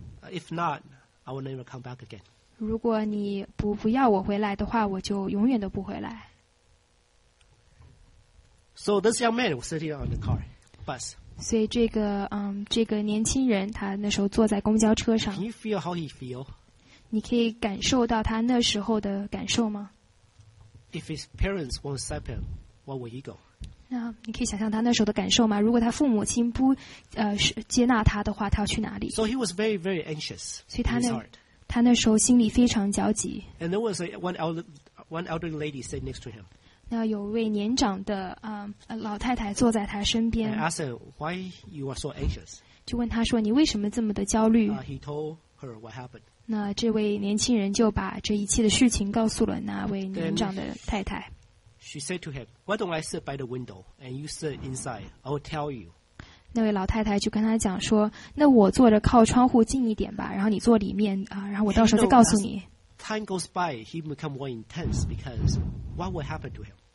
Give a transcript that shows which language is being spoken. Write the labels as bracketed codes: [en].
[en] If not, I will never come back again. [zh] 如果你不要我回来的话，我就永远都不回来。 [en] So this young man was sitting on the car bus. [zh] 所以这个年轻人他那时候坐在公交车上。 [en] Can you feel how he feel? [zh] 你可以感受到他那时候的感受吗？ [en] If his parents won't accept him, where will he go? [zh] 那你可以想象他那时候的感受吗？如果他父母亲不接纳他的话，他要去哪里？ [en] So he was very, very anxious. [zh] 所以他那时候心里非常焦急。 [en] And there was one elderly lady sitting next to him. [zh] 那有位年长的老太太坐在他身边。 [en] And asked him, "Why you are so anxious?" [zh] 就问他说你为什么这么的焦虑？ [en] He told her what happened. [zh] 那这位年轻人就把这一切的事情告诉了那位年长的太太。 [en] She said to him, "Why don't I sit by the window and you sit inside? I will tell you." [zh] 那位老太太就跟他讲说：“那我坐着靠窗户近一点吧，然后你坐里面然后我到时候再告诉你。 [en] ”Time goes by, he become more intense because what will happen to him?